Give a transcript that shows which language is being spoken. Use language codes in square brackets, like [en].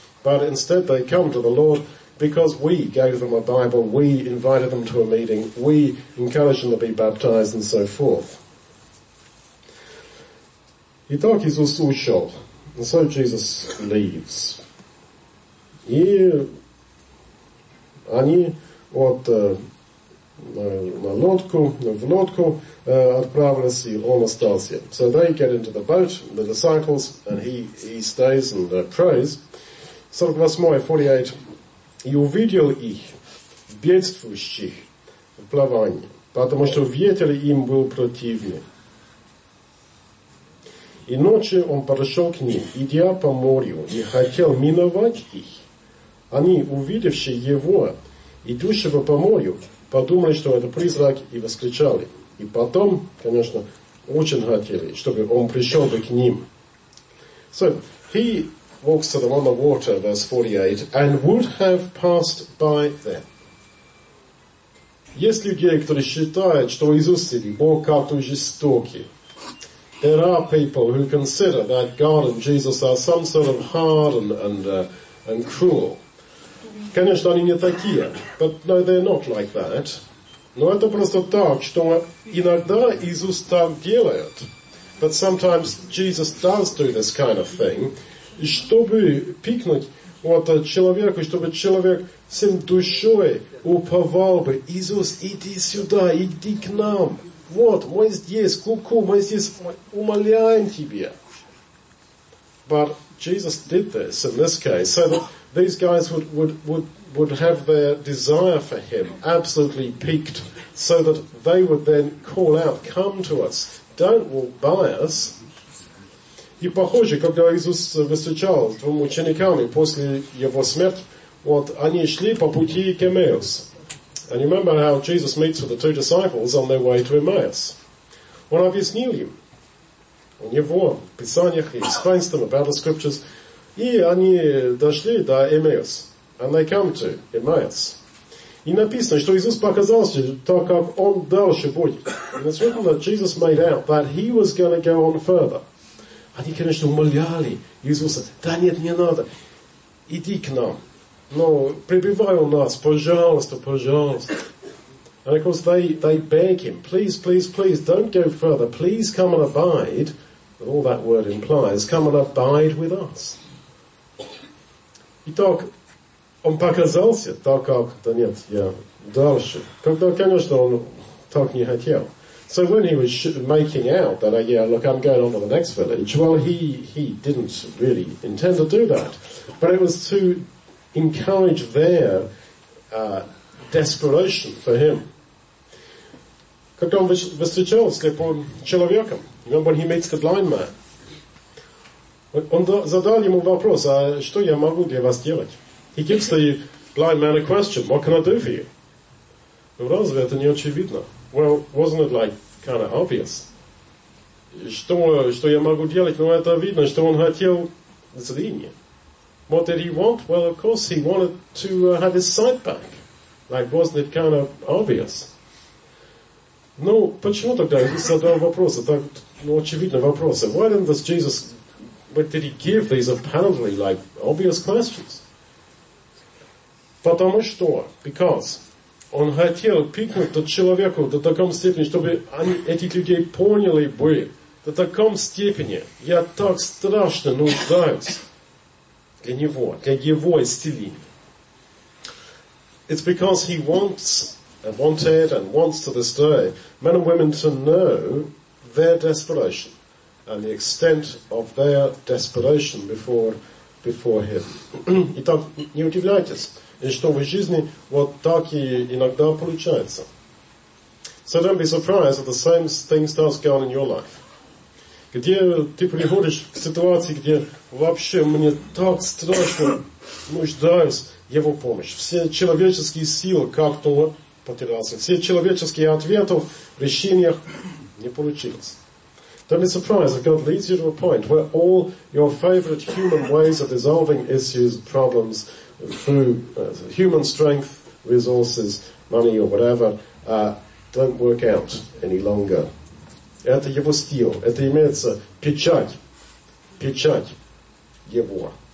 [en] But instead they come to the Lord because we gave them a Bible, we invited them to a meeting, we encouraged them to be baptized and so forth. [ru] Итак, Иисус ушел. [en] And so Jesus leaves. [ru] И они вот в лодку отправились, и он остался. [en] So they get into the boat, the disciples, and he stays and prays. 48. [ru] И увидел их бедствующих в плавании, потому что ветер им был противный. И ночью он подошел к ним, идя по морю, и хотел миновать их. Они, увидевши его, идущего по морю, подумали, что это призрак, и воскричали. И потом, конечно, очень хотели, чтобы он пришел бы к ним. [en] So, he walks to them on the water, verse 48, and would have passed by them. [ru] Есть люди, которые считают, что Иисус или Бог как-то жестокий. [en] There are people who consider that God and Jesus are some sort of hard and cruel. [ru] Конечно, они не такие, [en] but no, they're not like that. [ru] Но это просто так, что иногда Иисус так делает, [en] but sometimes Jesus does do this kind of thing, [ru] чтобы пикнуть вот человеку, чтобы человек всем душой уповал бы, Иисус, иди сюда, иди к нам. Вот, мы здесь, ку-ку, мы здесь, умоляем тебя. [en] But Jesus did this in this case, so that these guys would have their desire for him absolutely piqued, so that they would then call out, come to us, don't walk by us. [ru] И похоже, когда Иисус встречал двум учениками после его смерти, вот они шли по пути к Эммаус. [en] And you remember how Jesus meets with the two disciples on their way to Emmaus. [ru] Он объяснил им, у него в Писаниях, [en] he explains them about the scriptures, [ru] и они дошли до Эммаус, [en] and they come to Emmaus. [ru] И написано, что Иисус показался, так как Он дальше будет. [en] And it's written that Jesus made out that He was going to go on further. [ru] Они, конечно, умоляли Иисуса, да нет, не надо, иди к нам. Но прибывай у нас, пожалуйста, пожалуйста. [en] And of course they beg Him, please, please, please, don't go further, please come and abide. All that word implies, come and abide with us. [ru] Итак, он показался, так как, да нет, я дальше. Когда, конечно, он так не хотел. [en] So when he was making out that, yeah, look, I'm going on to the next village, well, he didn't really intend to do that. But it was to encourage their desperation for him. [ru] Когда он встречал слепого человека, [en] when he meets the blind man, [ru] он задал ему вопрос, а что я могу для вас делать? [en] He gives the blind man a question, what can I do for you? [ru] Ну, разве это не очевидно? [en] Well, wasn't it like kind of obvious? [ru] Что я могу делать? Ну, это видно, что он хотел зрение. [en] What did he want? Well, of course, he wanted to have his sight back. Like, wasn't it kind of obvious? [ru] Ну, почему тогда? Я задал вопросы, так, ну, очевидно, вопросы. [en] Why didn't this Jesus, what did he give these apparently, like, obvious questions? [ru] Потому что, [en] because, [ru] он хотел пикнуть человеку до таком степени, чтобы они, эти люди поняли бы, до таком степени, я так страшно нуждаюсь для него, для его исцеления. [en] It's because he wants to this day, men and women to know their desperation and the extent of their desperation before him. [ru] Итак, не удивляйтесь. И что в жизни вот так и иногда получается. [en] So don't be surprised if the same thing starts going in your life. [ru] Где ты приходишь к ситуации, где вообще мне так страшно нуждаюсь его помощь. Все человеческие силы как-то потерялся. Все человеческие ответы в решениях не получилось. [en] Don't be surprised if God leads you to a point where all your favorite human ways of resolving issues, problems, through human strength, resources, money or whatever, don't work out any longer. [ru] Это его стиль. Это имеется печать его.